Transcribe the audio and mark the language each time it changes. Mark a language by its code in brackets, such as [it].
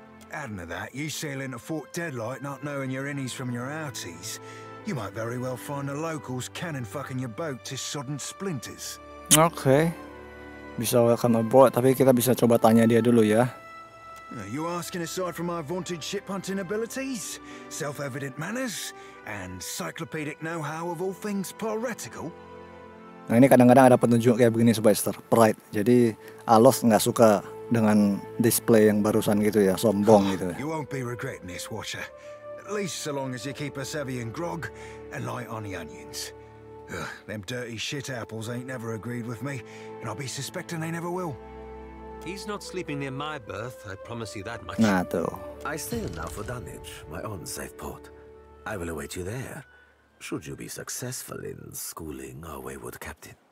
[en] Adding to that, you sail into Fort Deadlight not knowing your innies from your outies, you might very well find the locals cannon fucking your boat to sodden splinters. [id] Okay. Bisa [en] welcome aboard, [id] tapi kita bisa coba tanya dia dulu ya. [en] You asking aside from my vaunted ship hunting abilities, self-evident manners, and cyclopedic know-how of all things piratical? [id] Nah, ini kadang-kadang ada petunjuk kayak begini, Sebastian. Pride. Jadi, Alos nggak suka dengan display yang barusan gitu ya, sombong gitu. [en] You won't be regretting this, Watcher. At least so long as you keep us heavy in grog and light on the onions. Ugh, them dirty shit apples ain't never agreed with me, and I'll be suspecting they never will. He's not sleeping near my berth, I promise you that much. Nah, though. I sail now for Dunwich, my own safe port. I will await you there, should you be successful in schooling our wayward captain.